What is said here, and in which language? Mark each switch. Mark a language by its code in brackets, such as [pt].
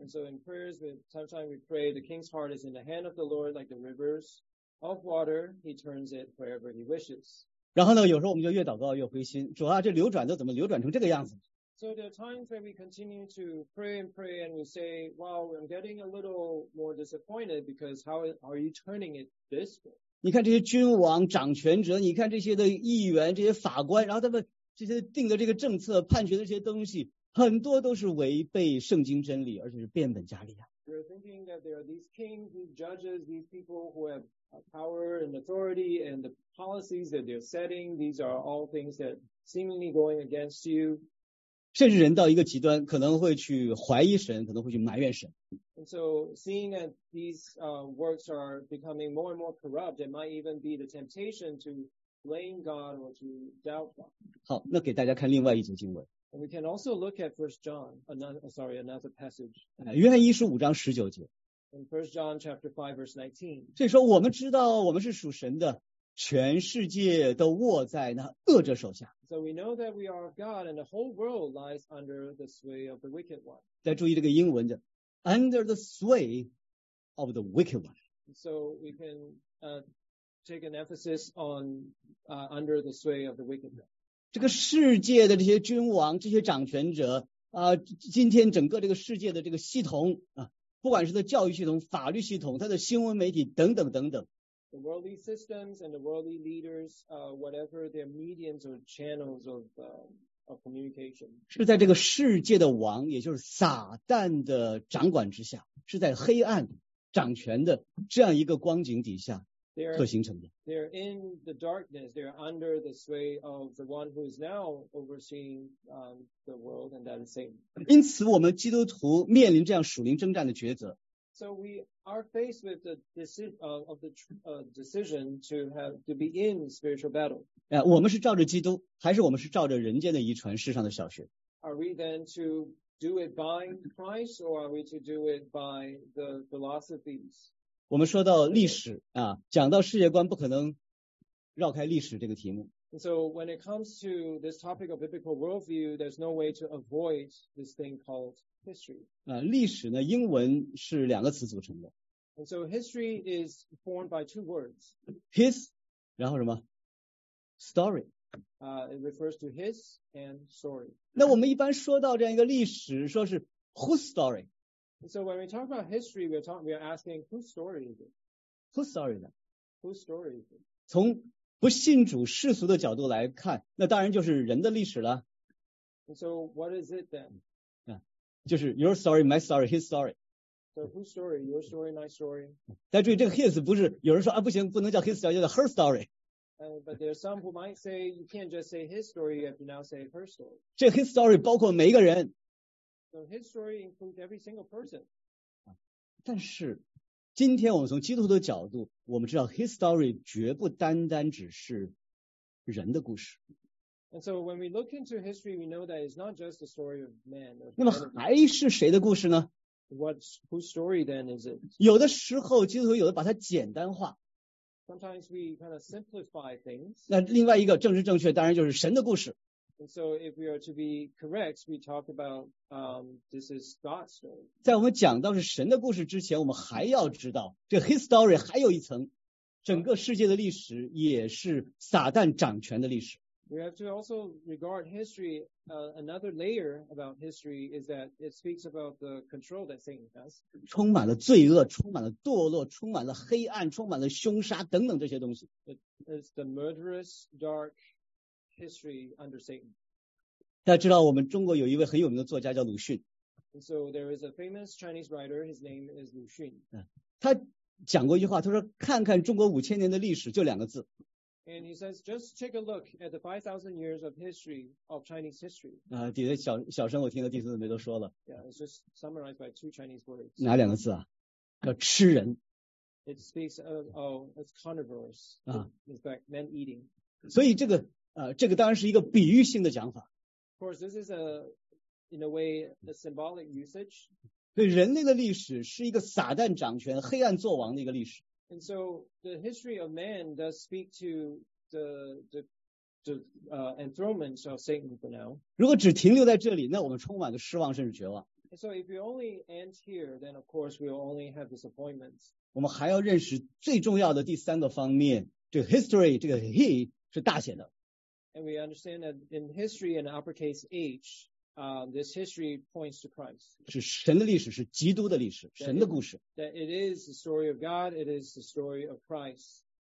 [en] And so in prayers sometimes we pray the king's heart is in the hand of the Lord like the rivers of water he turns it wherever he wishes [zh] 然后呢有时候我们就越祷告越灰心主啊这流转都怎么流转成这个样子 [en] So there are times when we continue to pray and pray and we say wow I'm getting a little more disappointed because how are you turning it this way [zh] 你看这些君王掌权者你看这些的议员这些法官然后他们这些定的这个政策判决的这些东西很多都是违背圣经真理而且是变本加厉啊。 [en] You're thinking that there are these kings, these judges, these people who have power and authority and the policies that they're setting, these are all things that seemingly going against you. [zh] 甚至人到一个极端可能会去怀疑神可能会去埋怨神。 [en] And so seeing that these works are becoming more and more corrupt, it might even be the temptation to blame God or to doubt God. [zh] 好那给大家看另外一组经文。 [en] And we can also look at 1 John, another passage. [zh] 约翰一书五章十九节。 [en] In 1 John chapter 5 verse 19. [zh] 所以说我们知道我们是属神的全世界都握在那恶者手下。 [en] So we know that we are of God, and the whole world lies under the sway of the wicked one. [zh] 再注意这个英文的 [en] under the sway of the wicked one. So we can take an emphasis on under the sway of the wicked one. [zh] 这个世界的这些君王，这些掌权者啊，今天整个这个世界的这个系统啊，不管是它的教育系统、法律系统、它的新闻媒体等等等等。 [en] The worldly systems and the worldly leaders, whatever their mediums or channels of communication. [zh] 是在这个世界的王，也就是撒旦的掌管之下，是在黑暗掌权的这样一个光景底下所形成的。 [en] They're in the darkness, they're under the sway of the one who is now overseeing, the world, and that is Satan. [zh] 因此我们基督徒面临这样属灵征战的抉择。 [en] So we are faced with the decision, of the, decision to have to be in spiritual battle. [zh] 我们是照着基督，还是我们是照着人间的遗传，世上的小学？ [en] Are we then to do it by Christ, or are we to do it by the philosophies? [zh] 我们说到历史啊，讲到世界观，不可能绕开历史这个题目。 [en] So when it comes to this topic of biblical worldview, there's no way to avoid this thing called history. [zh] 历史呢，英文是两个词组成的。 [en] And so history is formed by two words. His, [zh] 然后什么 ？ [en] Story. It refers to his and story. [zh] 那我们一般说到这样一个历史，说是 [en] whose story?、 And、so when we talk about history, we are asking whose story is it? Whose story is it? Whose story is it? [zh] 从不信主世俗的角度来看，那当然就是人的历史了。 [en] So what is it then? [zh] 就是 [en] your story, my story, his story. So whose story? Your story, my story. [zh] 再注意这个 his 不是有人说啊不行不能叫 [en] his story, [zh] 叫做 [en] her story. But there are some who might say you can't just say his story, you have to now say her story. [zh] 这 [en] his story [zh] 包括每一个人。 [en] So his story includes every single person. [zh] 但是今天我们从基督徒的角度，我们知道 [en] His story [zh] 绝不单单只是人的故事。 [en] And so when we look into history, we know that it's not just the story of man. [zh] 那么还是谁的故事呢 [en] ？Whose story then is it? [zh] 有的时候基督徒有的把它简单化。 [en] Sometimes we kind of simplify things. [zh] 那另外一个政治正确，当然就是神的故事。 [en] And so if we are to be correct, we talk about, this is God's story. [zh] 在我们讲到是神的故事之前，我们还要知道这 [en] his story [zh] 还有一层，整个世界的历史也是撒旦掌权的历史。 [en] We have to also regard history, another layer about history is that it speaks about the control that Satan has. [zh] 充满了罪恶，充满了堕落，充满了黑暗，充满了凶杀等等这些东西。 [en] It's the murderous dark history under Satan. [zh] 大家知道我们中国有一位很有名的作家叫鲁迅。 [en] And so there is a famous Chinese writer, his name is Lu Xun. [zh] 他讲过一句话，他说看看中国五千年的历史就两个字。 [en] And he says, just take a look at the 5,000 years of history of Chinese history. [zh] 底下小声我听到第四姊妹都说了。 [en] Yeah, it's just summarized by two Chinese words. [zh] 哪两个字啊？叫吃人。 [en] It speaks of, oh, it's carnivores. It's like men eating. [zh] 所以这个当然是一个比喻性的讲法。 [en] Of course, this is a, in a way, a symbolic usage. [zh] 对人类的历史是一个撒旦掌权、黑暗作王的一个历史。 [en] And so the history of man does speak to the enthronement of Satan for now. [zh] 如果只停留在这里，那我们充满了失望甚至绝望。 [en] And so if we only end here, then of course we will only have disappointments. [zh] 我们还要认识最重要的第三个方面，这个 history 这个 he 是大写的。 [en] And we understand that in history, in uppercase H, this history points to Christ. [zh] 是神的历史，是基督的历史，神的故事。 [en] That it is the story of God, it is the story of Christ.